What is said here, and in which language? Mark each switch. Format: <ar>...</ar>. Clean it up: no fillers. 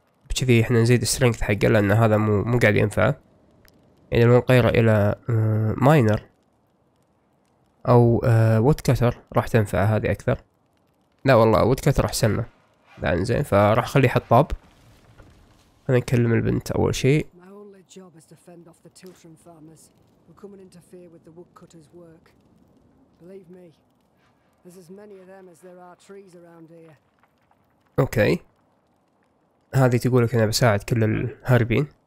<ar>بكذي احنا نزيد سترينث حقه، لان هذا مو قاعد ينفع. يعني لو نغيره الى ماينر او ووتكاثر راح تنفع هذه اكثر. لا والله ووتكاثر احسن له. لا انزين، فراح اخليه حطاب. انا اكلم البنت اول شيء.</ar> <en>Job is to fend off the Tiltrum farmers who come and interfere with the woodcutter's work. Believe me, there's as many of them as there are trees around here. Okay.</en> <ar>هذه تقول لك أنا بساعد كل الهاربين.</ar>